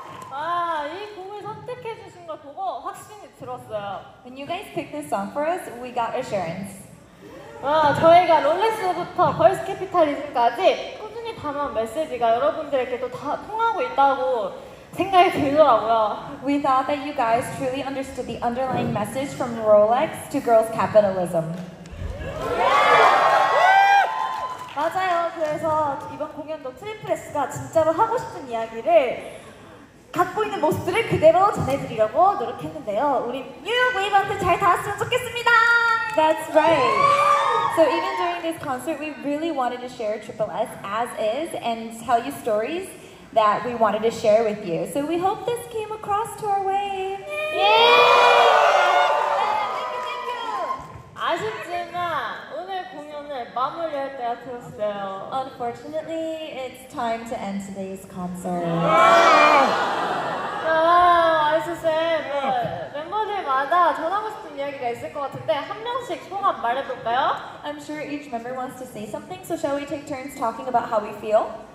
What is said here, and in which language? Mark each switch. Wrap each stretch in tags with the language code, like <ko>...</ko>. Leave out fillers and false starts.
<ko>아, 이 곡을 선택해 주신 걸 보고 확신이 들었어요.</ko> <en>When you guys picked this song for us, we got assurance.</en> <ko>아, 저희가 롤렉스부터 걸스 캐피탈리즘까지 꾸준히 담은 메시지가 여러분들에게 또 다 통하고 있다고 생각이 들더라고요.</ko> <en>We thought that you guys truly understood the underlying message from Rolex to girls capitalism.</en> <ko>Yeah! 맞아요. 그래서 이번 공연도 트리플S가 진짜로 하고 싶은 이야기를 갖고 있는 모습들을 그대로 전해드리려고 노력했는데요. 우리 뉴욕 웨이브한테 잘 닿았으면 좋겠습니다.</ko> <en>That's right. So even during this concert, we really wanted to share tripleS as is and tell you stories that we wanted to share with you. So we hope this came across to our way. Yay! Yeah! Thank you, thank you.</en> <ko>아쉽지만 오늘 공연을 마무리할 때가 되었어요.</ko> <en>Unfortunately, it's time to end today's concert.</en> <ko>Yeah! 아, 아쉽지만 멤버들마다 전하고 싶은 이야기가 있을 것 같은데 한 명씩 총합 말해볼까요?</ko> <en>I'm sure each member wants to say something, so shall we take turns talking about how we feel?</en>